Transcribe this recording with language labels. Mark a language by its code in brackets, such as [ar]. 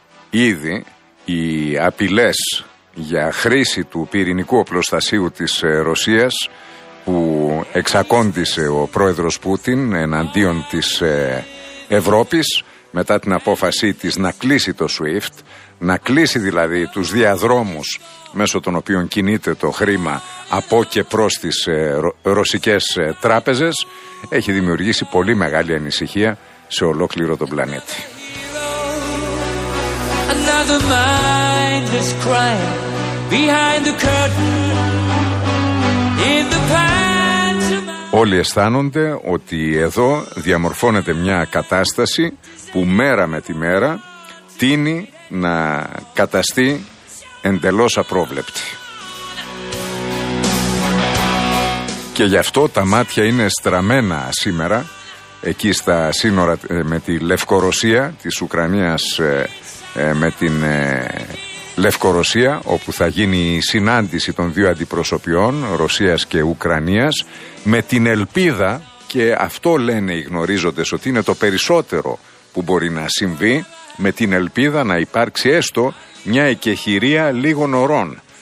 [el] Ήδη οι απειλές για χρήση του πυρηνικού οπλοστασίου της Ρωσίας που εξακόντησε ο πρόεδρος Πούτιν εναντίον της Ευρώπης μετά την απόφασή της να κλείσει το SWIFT, να κλείσει δηλαδή τους διαδρόμους μέσω των οποίων κινείται το χρήμα από και προς τις ρωσικές τράπεζες, έχει δημιουργήσει πολύ μεγάλη ανησυχία σε ολόκληρο τον πλανήτη. [en] The mind is crying behind the curtain in the pantomime. [el] Όλοι αισθάνονται ότι εδώ διαμορφώνεται μια κατάσταση που μέρα με τη μέρα τίνει να καταστεί εντελώς απρόβλεπτη. Και γι' αυτό τα μάτια είναι στραμμένα σήμερα εκεί στα σύνορα με τη Λευκορωσία της Ουκρανίας, με την Λευκορωσία, όπου θα γίνει η συνάντηση των δύο αντιπροσωπιών, Ρωσίας και Ουκρανίας, με την ελπίδα, και αυτό λένε οι γνωρίζοντες ότι είναι το περισσότερο που μπορεί να συμβεί, με την ελπίδα να υπάρξει έστω μια εκεχηρία λίγων ωρών,